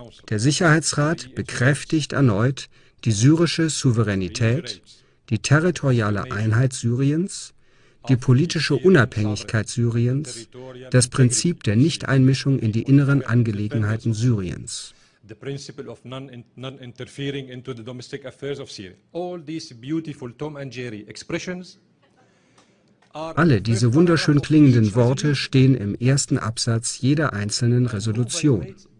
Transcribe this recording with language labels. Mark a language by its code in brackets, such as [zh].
[de] Der Sicherheitsrat bekräftigt erneut die syrische Souveränität, die territoriale Einheit Syriens, die politische Unabhängigkeit Syriens, das Prinzip der Nichteinmischung in die inneren Angelegenheiten Syriens. [en] The principle of non-interfering into the domestic affairs of Syria. All these beautiful Tom and Jerry expressions. [de] Alle diese wunderschön klingenden Worte stehen im ersten Absatz jeder einzelnen Resolution.